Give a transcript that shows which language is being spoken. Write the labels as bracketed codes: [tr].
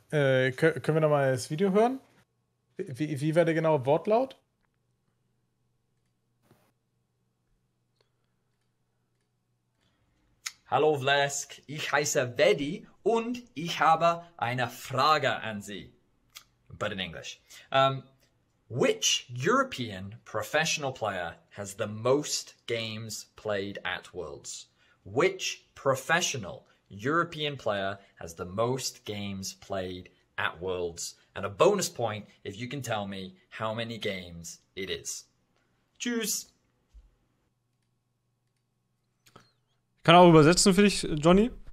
[de] Können wir nochmal das Video hören? Wie war der genaue Wortlaut? Hallo Vlask, ich heiße Vedi und ich habe eine Frage an Sie. [en] But in English. Which European professional player has the most games played at Worlds? Which professional European player has the most games played at Worlds. And a bonus point if you can tell me how many games it is. [de] Tschüss! Ich kann auch übersetzen für dich, Johnny.